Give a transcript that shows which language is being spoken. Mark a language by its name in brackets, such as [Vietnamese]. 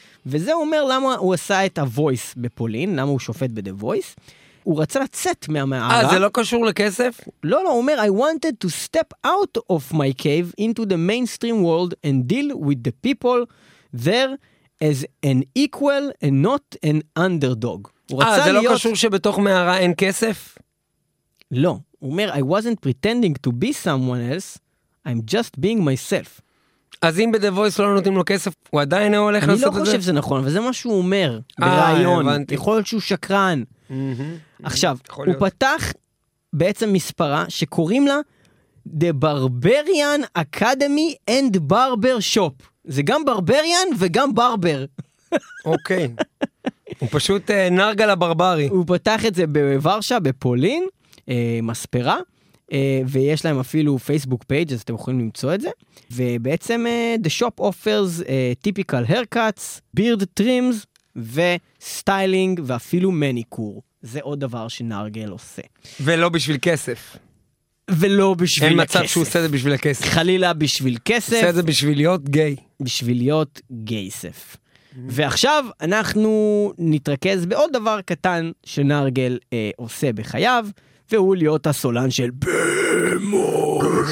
[Hebrew] וזה אומר למה הוא עשה את הוויס בפולין, למה הוא שופט ב-The Voice. הוא רצה לצאת מהמערה. זה לא קשור לכסף? לא, הוא אומר, [English] I wanted to step out of my cave into the mainstream world and deal with the people there as an equal and not an underdog. [Hebrew] זה לא קשור שבתוך מערה אין כסף? לא. הוא אומר, [English] I wasn't pretending to be someone else, I'm just being myself. [Hebrew] אז אם ב-The Voice לא נותנים לו כסף, הוא עדיין הוא הולך לעשות את זה? אני לא חושב שזה נכון, אבל זה מה שהוא אומר, ברעיון. הבנתי. יכול להיות שהוא שקרן. עכשיו, הוא פתח בעצם מספרה שקוראים לה The Barbarian Academy and Barber Shop. זה גם ברבריאן וגם ברבר. אוקיי. הוא פשוט נרגל הברברי. הוא פתח את זה בוורשה, בפולין. מספרה, ויש להם אפילו פייסבוק פייג', אז אתם יכולים למצוא את זה. ובעצם [English] the shop offers typical haircuts, beard trims [Hebrew] וסטיילינג ואפילו מניקור. זה עוד דבר שנרגל עושה. ולא בשביל כסף. ולא בשביל אין מצב שהוא עושה את זה בשביל הכסף. חלילה בשביל כסף. עושה את זה בשביל להיות גיי. בשביל להיות גייסף. ועכשיו אנחנו נתרכז בעוד דבר קטן שנרגל עושה בחייו. והוא להיות הסולן של בהמות.